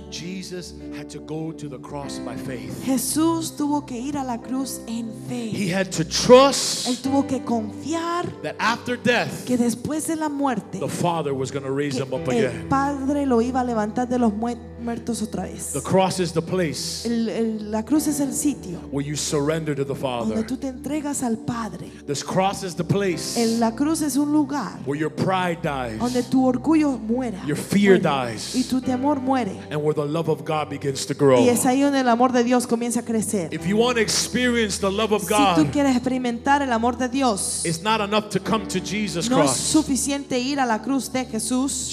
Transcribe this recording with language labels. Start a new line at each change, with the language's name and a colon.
English: Jesus had to go to the cross by faith.
Spanish: Jesús tuvo que ir a la cruz en fe.
English: He had to trust.
Spanish: Él tuvo que confiar
English: that after death,
Spanish: que después de la muerte,
English: the Father was going to raise him up again.
Spanish: El Padre lo iba a levantar de los muertos otra vez.
English: The cross is the place.
Spanish: La cruz es el sitio
English: where you surrender to the Father.
Spanish: Donde tú te entregas al Padre.
English: This cross is the place.
Spanish: La cruz es un lugar
English: where your pride dies.
Spanish: Donde tu orgullo muera.
English: Your fear dies.
Spanish: Y tu temor muere.
English: And where the love of God begins to grow.
Spanish: Y es ahí donde el amor de Dios comienza a crecer.
English: If you want to experience the love of God,
Spanish: si tú quieres experimentar el amor de Dios,
English: it's not enough to come to Jesus
Spanish: no
English: cross.
Spanish: Es suficiente ir a la cruz de Jesús.